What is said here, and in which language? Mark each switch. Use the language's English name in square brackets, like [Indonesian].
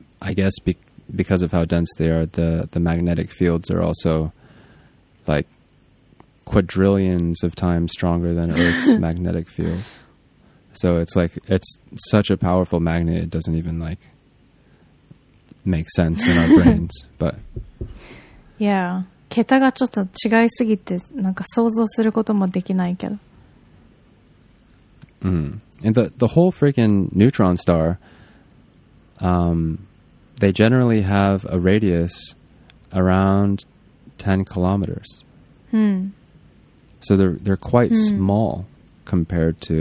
[English] I guess because of how dense they are, the magnetic fields are also like quadrillions of times stronger than Earth's magnetic field. So it's like, it's such a powerful magnet, it doesn't even like make sense in our brains. But [Japanese] yeah, 桁がちょっと違いすぎてなんか想像することもできないけど。 [English] And the whole freaking neutron star, they generally have a radius around 10 kilometers. So they're quite small compared to